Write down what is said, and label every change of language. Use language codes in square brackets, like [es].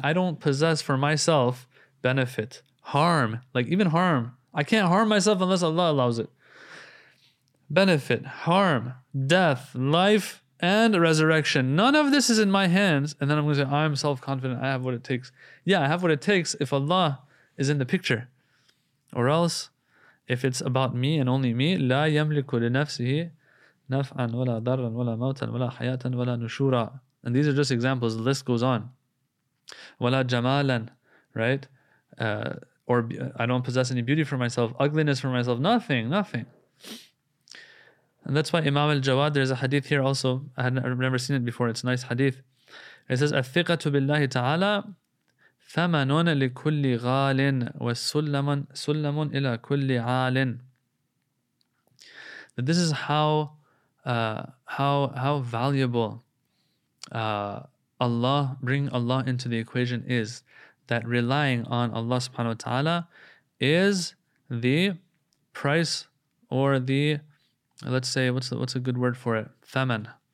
[en] I don't possess for myself benefit, harm, like even harm. I can't harm myself unless Allah allows it. Benefit, harm, death, life, and resurrection. None of this is in my hands. And then I'm going to say, I'm self-confident. I have what it takes. Yeah, I have what it takes if Allah is in the picture. Or else, if it's about me and only me, [ar] لَا يَمْلِكُ لِنَفْسِهِ نَفْعًا وَلَا ضَرًا وَلَا مَوْتًا وَلَا حَيَاةً وَلَا نُشُورًا. [en] And these are just examples. The list goes on. [ar] وَلَا جَمَالًا, [en] right? Or I don't possess any beauty for myself, ugliness for myself, nothing, nothing. And that's why Imam al-Jawad, there's a hadith here also. I've never seen it before. It's a nice hadith. It says, [ar] أَثِّقَةُ بِاللَّهِ تَعَالَى ثَمَنُونَ لِكُلِّ غَالٍ وَسُلَّمٌ إِلَى كُلِّ عَالٍ. [en] But this is how valuable Allah, bringing Allah into the equation is, that relying on Allah subhanahu wa ta'ala is the price, or the, let's say, what's a good word for it? Thaman.